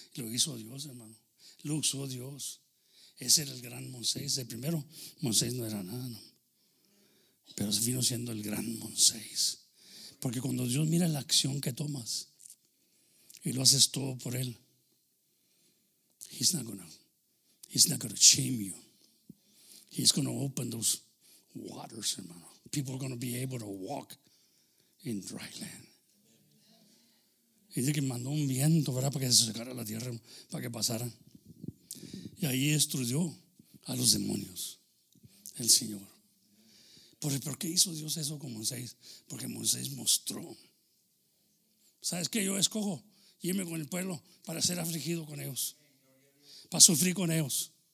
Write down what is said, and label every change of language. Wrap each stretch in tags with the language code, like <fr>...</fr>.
<es>Lo hizo Dios, hermano. Lo usó Dios. Ese era el gran Moisés. El primero Moisés no era nada, ¿no? Pero vino siendo el gran Moisés. Porque cuando Dios mira la acción que tomas y lo haces todo por él,</es> <en>he's not gonna shame you. He's gonna open those waters, hermano. People are gonna be able to walk in dry land.</en> <es>Y dice que mandó un viento, ¿verdad?, para que se secara la tierra, para que pasara. Y ahí destruyó a los demonios el Señor. ¿Por qué hizo Dios eso con Moisés? Porque Moisés mostró. ¿Sabes qué? Yo escojo irme con el pueblo para ser afligido con ellos, para sufrir con ellos.</es>